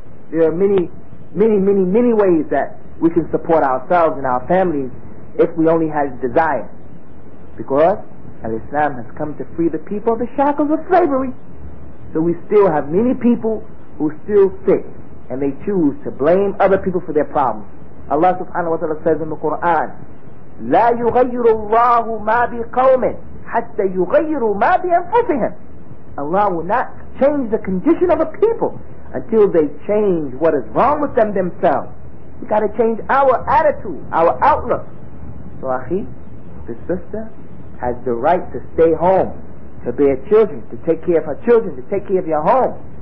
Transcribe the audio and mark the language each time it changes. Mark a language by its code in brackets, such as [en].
[en] There are many, many, many, many ways that we can support ourselves and our families if we only had desire. Because Al-Islam has come to free the people of the shackles of slavery. So we still have many people who still sit and they choose to blame other people for their problems. Allah subhanahu wa ta'ala says in the Quran, [ar] لَا يُغَيِّرُ اللَّهُ مَا بِقَوْمٍ حَتَّى يُغَيِّرُ مَا بِأَنفُسِهِمْ. [en] Allah will not change the condition of a people until they change what is wrong with them themselves. We got to change our attitude, our outlook. So, Akhi, the sister has the right to stay home, to bear children, to take care of her children, to take care of your home.